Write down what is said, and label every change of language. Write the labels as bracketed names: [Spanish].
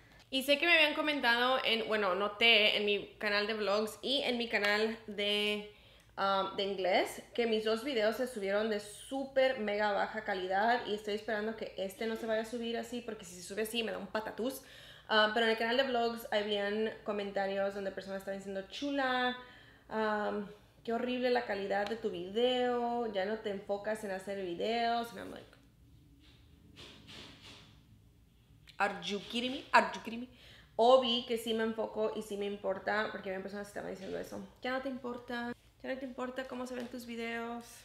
[Spanish] Y sé que me habían comentado noté en mi canal de vlogs y en mi canal de inglés, que mis dos videos se subieron de súper mega baja calidad y estoy esperando que este no se vaya a subir así, porque si se sube así me da un patatús. Pero en el canal de vlogs habían comentarios donde personas estaban diciendo, chula, qué horrible la calidad de tu video, ya no te enfocas en hacer videos. [English] And I'm like, are you kidding me? [Spanish] Obi, que sí me enfoco y sí me importa, porque había personas que estaban diciendo eso, ya no te importa. ¿No te importa cómo se ven tus videos?